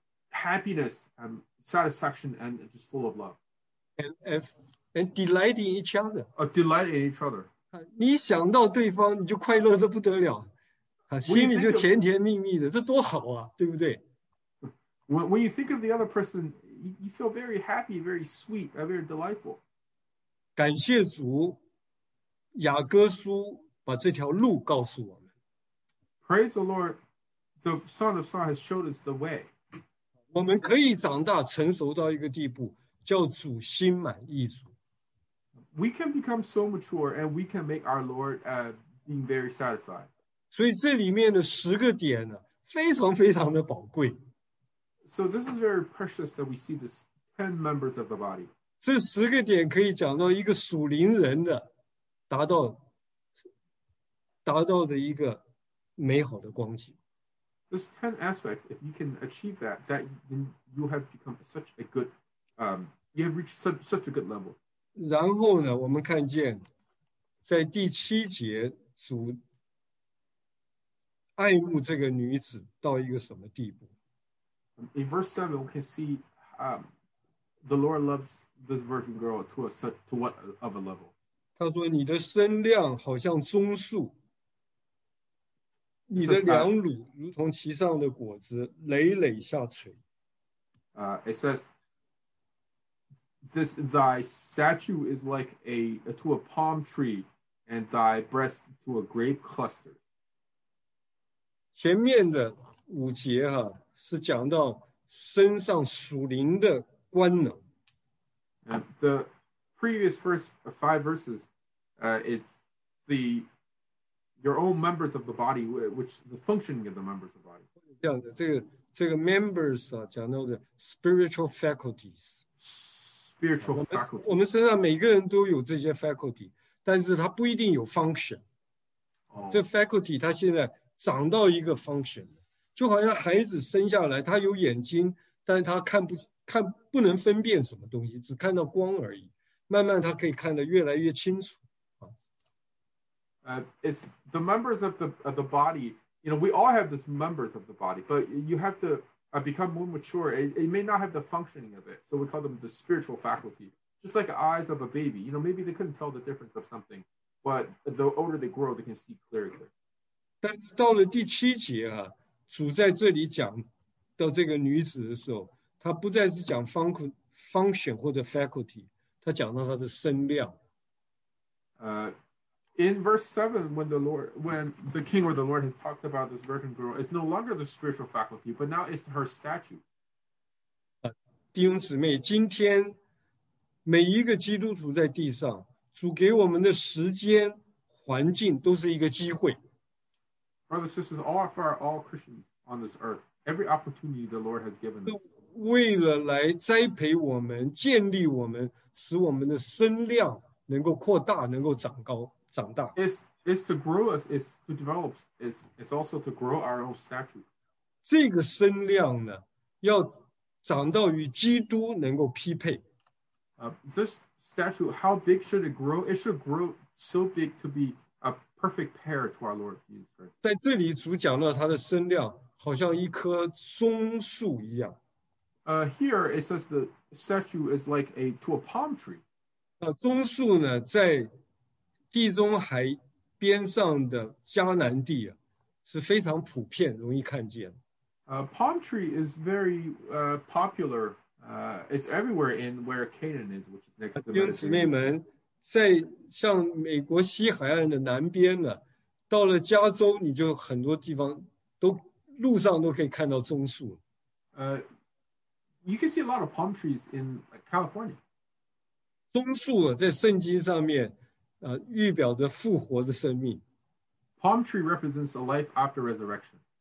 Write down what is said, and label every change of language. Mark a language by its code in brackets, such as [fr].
[en] happiness and satisfaction and just full of love. And delight in each other. Delight in each other. [zh] 你想到对方你就快乐得不得了。心里就甜甜蜜蜜的，这多好啊，对不对？ [en] When you think of the other person, you feel very happy, very sweet, very delightful. [zh] 感谢主，雅各书把这条路告诉我们。 [en] Praise the Lord, The Son of Song has showed us the way. [zh] 我们可以长大成熟到一个地步，叫主心满意足。 [en] We can become so mature and we can make our Lord being very satisfied. [zh] 所以这里面的十个点呢，非常非常的宝贵。 [en] So this is very precious that we see this 10 members of the body. [zh] 这十个点可以讲到一个属灵人的达到的一个美好的光景。 [en] This 10 aspects, if you can achieve that, that you have become such a good, you have reached such a good level. [zh] 然后呢，我们看见在第七节，主爱慕这个女子到一个什么地步。 [en] In verse 7, we can see the Lord loves this virgin girl to what of a level? [zh] 他说你的身量好像棕树。你的两乳如同其上的果子，累累下垂。 [en] It says, "This thy statue is like a palm tree, and thy breast to a grape cluster." [zh] 前面的五节哈、啊、是讲到身上属灵的官能。 [en] And the previous first five verses, it's the your own members of the body, which the functioning of the members of the body. [zh] 这样的，这个 members 啊，讲到的 [en] spiritual faculties. Spiritual faculties. [zh] 我们身上每个人都有这些 faculty, 但是它不一定有 function.、 Oh. 这 faculty 它现在长到一个 function, 就好像孩子生下来，他有眼睛，但是他不能分辨什么东西，只看到光而已。慢慢他可以看得越来越清楚。 [en] It's the members of the body, you know, we all have this members of the body, but you have to become more mature. It may not have the functioning of it. So we call them the spiritual faculty, just like eyes of a baby. You know, maybe they couldn't tell the difference of something, but the older they grow, they can see clearly. [zh] 但是到了第七节啊，主在这里讲到这个女子的时候，她不再是讲 function 或者 faculty, 她讲到她的身量。 [en] In verse 7, when the king or the Lord has talked about this virgin girl, it's no longer the spiritual faculty, but now it's her statue. [zh] 弟兄姊妹，今天每一个基督徒在地上，主给我们的时间、环境都是一个机会。 [en] Brothers and sisters, all for all Christians on this earth, every opportunity the Lord has given us. [zh] 为了来栽培我们、建立我们、使我们的身量能够扩大、能够长高。长大 [en] is to grow us, is to develop, is also to grow our own stature. [zh] 这个身量呢，要长到与基督能够匹配。 [en] This stature, how big should it grow? It should grow so big to be a perfect pair to our Lord Jesus Christ. [zh] 在这里，主讲到他的身量好像一棵棕树一样。 [en] Here it says the stature is like to a palm tree. [zh] 棕树呢，在地中海边上的迦南地、啊、是非常普遍容易看见。 [en] Palm tree is very popular. It's everywhere in where Canaan is, which is next to the Mediterranean. [zh] 姊妹们，在像美国西海岸的南边呢，到了加州，你就很多地方都路上都可以看到棕树。 [en] You can see a lot of palm trees in California. [zh] 棕树、啊、在圣经上面。预表着复活的生命。 [en] Palm tree represents a life after resurrection.